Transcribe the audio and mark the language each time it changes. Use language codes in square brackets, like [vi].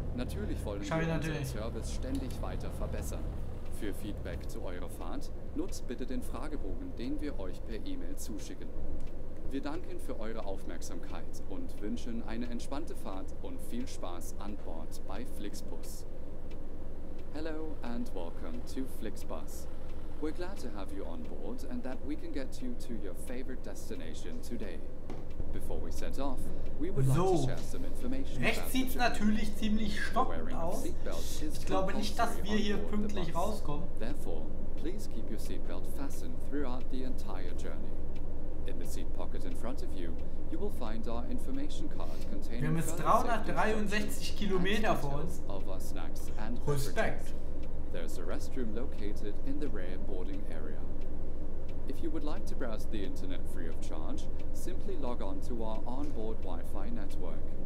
[de] Natürlich wollen wir unseren Service ständig weiter verbessern. Für Feedback zu eurer Fahrt nutzt bitte den Fragebogen, den wir euch per E-Mail zuschicken. Wir danken für eure Aufmerksamkeit und wünschen eine entspannte Fahrt und viel Spaß an Bord bei Flixbus. [en] Hello and welcome to Flixbus. We're glad to have you on board and that we can get you to your favorite destination today. Before we set off, we would like to share some information. [de] Rechts sieht natürlich ziemlich stockend aus. Ich glaube nicht, dass wir hier pünktlich rauskommen. [en] Therefore, please keep your seatbelt fastened throughout the entire journey. In the seat pocket in front of you, you will find our information card containing. [de] Wir haben jetzt 363 Kilometer vor uns. Respekt. [en] There's a restroom located in the rear boarding area. If you would like to browse the internet free of charge, simply log on to our onboard Wi-Fi network.